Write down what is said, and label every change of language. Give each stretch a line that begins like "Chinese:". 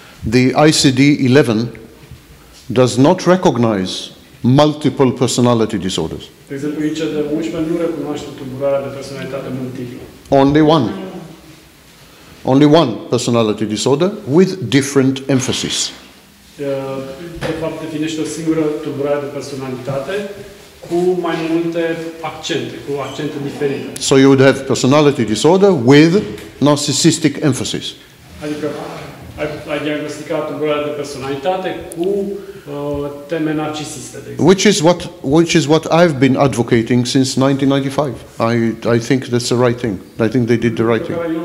English: The ICD-11 does not recognize multiple personality disorders.
Romanian: De exemplu, ICD-11 nu recunoaște tulburarea de personalitate multiplă.
English: Only one personality disorder with different emphasis.
Romanian: De fapt, definește o singură tulburare de personalitate cu mai multe accente, cu accente diferite.
English: So you would have personality disorder with narcissistic emphasis.
Romanian: Adică ai diagnosticat tulburarea de personalitate cu teme narcisiste, de exemplu.
English: Which is what I've been advocating since 1995. I think that's the right thing. I think they did the right thing.